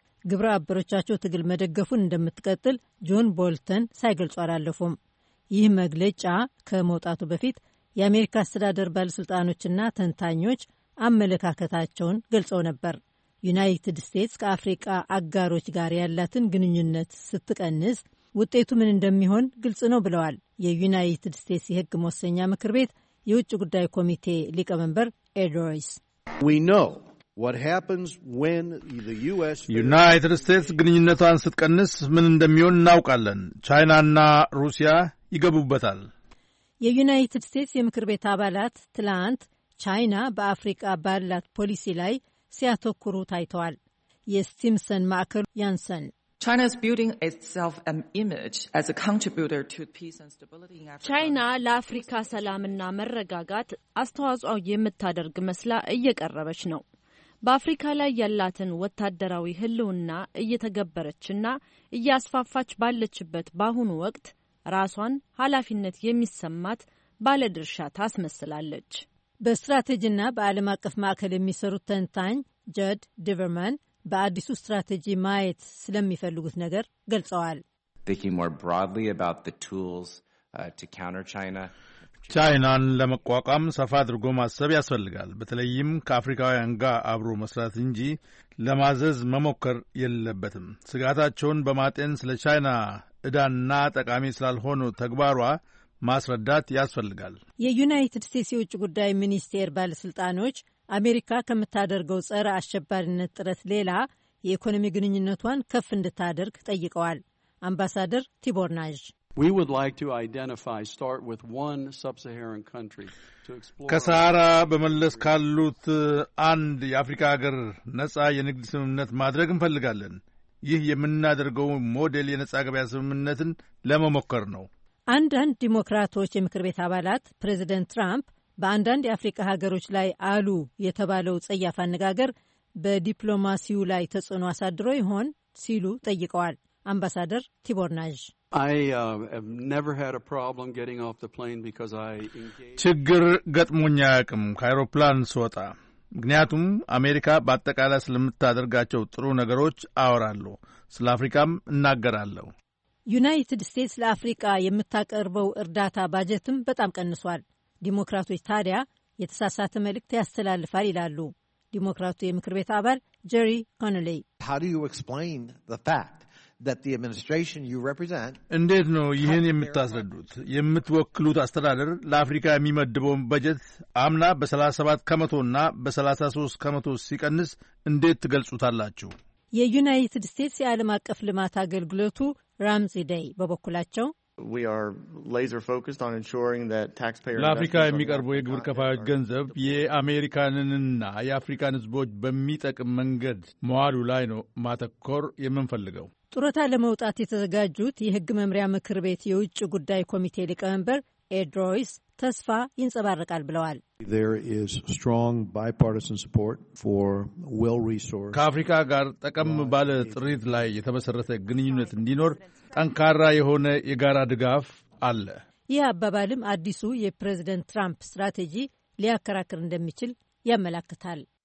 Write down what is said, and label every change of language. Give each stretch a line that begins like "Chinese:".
Amharic: ግብረ አበሮቻቸው ትግል መደገፉን እንደምትቀጥል ጆን ቦልተን ሳይገልጹ አላለፉም። ይህ መግለጫ ከመውጣቱ በፊት የአሜሪካ አስተዳደር ባለሥልጣኖችና ተንታኞች አመለካከታቸውን ገልጸው ነበር። ዩናይትድ ስቴትስ ከአፍሪካ አጋሮች ጋር ያላትን ግንኙነት ስትቀንስ ውጤቱ ምን እንደሚሆን ግልጽ ነው ብለዋል የዩናይትድ ስቴትስ የሕግ መወሰኛ ምክር ቤት የውጭ ጉዳይ ኮሚቴ ሊቀመንበር ኤድ ሮይስ።
English: We know what happens when the U.S.
Amharic: ዩናይትድ ስቴትስ ግንኙነቷን ስትቀንስ ምን እንደሚሆን እናውቃለን። ቻይናና ሩሲያ ይገቡበታል። የዩናይትድ ስቴትስ የምክር ቤት አባላት ትላንት ቻይና በአፍሪካ ባላት ፖሊሲ ላይ ሲያተኩሩ ታይተዋል። የስቲምሰን ማዕከሉ ያንሰን
English: China's building itself an image as a contributor to peace and stability in Africa.
Amharic: China ለአፍሪካ ሰላምና መረጋጋት አስተዋጽኦ የምታደርግ መስላ እየቀረበች ነው። በአፍሪካ ላይ ያላትን ወታደራዊ ህልውና እየተገበረችና እያስፋፋች ባለችበት ባሁን ወቅት ራሷን ኃላፊነት የሚሰማት ባለድርሻ ታስመስላለች። በስትራቴጂና በዓለም አቀፍ ማዕከል የሚሰሩት ተንታኝ ጀድ ዲቨርማን በአዲሱ ስትራቴጂ ማየት ስለሚፈልጉት ነገር ገልጸዋል።
English: Thinking more broadly about the tools to counter China.
Amharic: ቻይናን ለመቋቋም ሰፋ አድርጎ ማሰብ ያስፈልጋል። በተለይም ከአፍሪካውያን ጋር አብሮ መስራት እንጂ ለማዘዝ መሞከር የለበትም። ስጋታቸውን በማጤን ስለ ቻይና እዳና ጠቃሚ ስላልሆኑ ተግባሯ ማስረዳት ያስፈልጋል። የዩናይትድ ስቴትስ የውጭ ጉዳይ ሚኒስቴር ባለስልጣኖች አሜሪካ ከምታደርገው ጸረ አሸባሪነት ጥረት ሌላ የኢኮኖሚ ግንኙነቷን ከፍ እንድታደርግ ጠይቀዋል። አምባሳደር ቲቦር ናዥ
English: We would like to identify, start with one sub-Saharan country to explore.
Amharic: ከሳራ በመለስ ካሉት አንድ የአፍሪካ ሀገር ነጻ የንግድ ስምምነት ማድረግ እንፈልጋለን። ይህ የምናደርገው ሞዴል የነጻ ገበያ ስምምነትን ለመሞከር ነው። አንዳንድ ዲሞክራቶች የምክር ቤት አባላት ፕሬዚደንት ትራምፕ በአንዳንድ የአፍሪካ ሀገሮች ላይ አሉ የተባለው ጸያፍ አነጋገር በዲፕሎማሲው ላይ ተጽዕኖ አሳድሮ ይሆን ሲሉ ጠይቀዋል። አምባሳደር ቲቦር ናዥ ችግር ገጥሞኝ አያውቅም ከአይሮፕላን ስወጣ። ምክንያቱም አሜሪካ በአጠቃላይ ስለምታደርጋቸው ጥሩ ነገሮች አወራለሁ፣ ስለ አፍሪካም እናገራለሁ። ዩናይትድ ስቴትስ ለአፍሪካ የምታቀርበው እርዳታ ባጀትም በጣም ቀንሷል። ዲሞክራቶች ታዲያ የተሳሳተ መልእክት ያስተላልፋል ይላሉ። ዲሞክራቱ የምክር ቤት አባል ጄሪ ኮነሊ
English: How do you explain the fact that the administration you represent
Amharic: እንዴት ነው ይህን የምታስረዱት? የምትወክሉት አስተዳደር ለአፍሪካ የሚመድበውን በጀት አምና በ37% እና በ33% ሲቀንስ እንዴት ትገልጹታላችሁ? የዩናይትድ ስቴትስ የዓለም አቀፍ ልማት አገልግሎቱ ራምዚ ዴይ በበኩላቸው
English: We are laser focused on ensuring that taxpayer
Amharic: ለአፍሪካ የሚቀርበው የግብር ከፋዮች ገንዘብ የአሜሪካንንና የአፍሪካን ህዝቦች በሚጠቅም መንገድ መዋሉ ላይ ነው ማተኮር የምንፈልገው። ጡረታ ለመውጣት የተዘጋጁት የሕግ መምሪያ ምክር ቤት የውጭ ጉዳይ ኮሚቴ ሊቀመንበር ኤድ ሮይስ ተስፋ ይንጸባረቃል ብለዋል።
English: There is strong bipartisan support for well-resourced
Amharic: ከአፍሪካ ጋር ተቀም ባለ ጥሪት ላይ የተመሰረተ ግንኙነት እንዲኖር ጠንካራ የሆነ የጋራ ድጋፍ አለ። ይህ አባባልም አዲሱ የፕሬዝደንት ትራምፕ ስትራቴጂ ሊያከራክር እንደሚችል ያመለክታል።